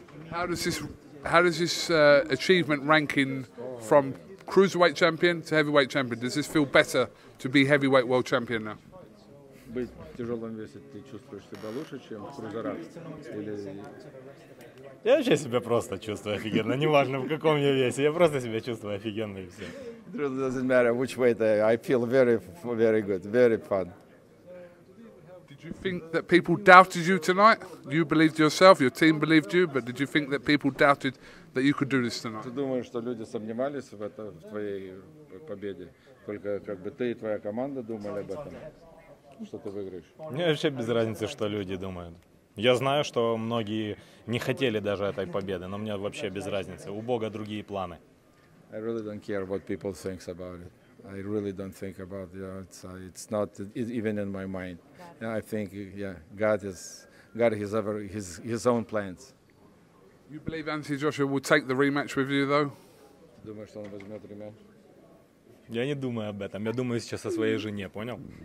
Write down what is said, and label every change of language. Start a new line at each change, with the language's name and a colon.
English: How does this achievement ranking from cruiserweight champion to heavyweight champion? Does this feel better to be heavyweight world champion now?
Russian: Быть тяжелым весом ты чувствуешь себя лучше, чем крузера? Или... Я вообще себя просто чувствую офигенно, неважно в каком я весе, я просто себя чувствую офигенно и все.
English: It really doesn't matter which weight I feel very, very good, very fun. Did you think that people doubted you tonight? You believed yourself, your team believed you, but did you think that people doubted that you could do this tonight?
Russian: Ты думаешь, что люди сомневались в этом, в твоей победе? Только как бы ты и твоя команда думали об этом, что ты выиграешь? Мне вообще без разницы, что люди думают. Я знаю, что многие не хотели даже этой победы, но мне вообще без разницы. У Бога другие планы.
English: I really don't care what people think about it. I really don't think about, you know, it's not even in my mind. I think, yeah, God has ever his own plans. You believe Anthony Joshua will take the rematch with you, though?
Russian: Думаю, что он возьмет рематч. Я не думаю об этом. Я думаю сейчас о своей жене, понял?